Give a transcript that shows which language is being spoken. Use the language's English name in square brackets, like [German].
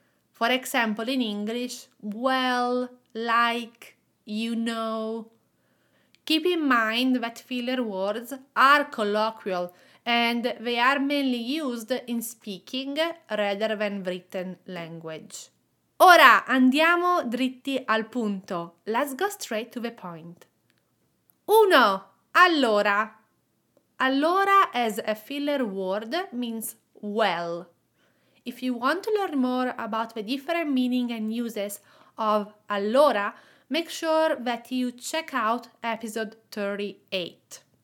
[English] For example, in English, well, like, you know. Keep in mind that filler words are colloquial and they are mainly used in speaking rather than written language. [Italian] Ora andiamo dritti al punto. [English] Let's go straight to the point. [Italian] Uno, allora. [English] Allora as a filler word means well. If you want to learn more about the different meaning and uses of allora, make sure that you check out episode 38.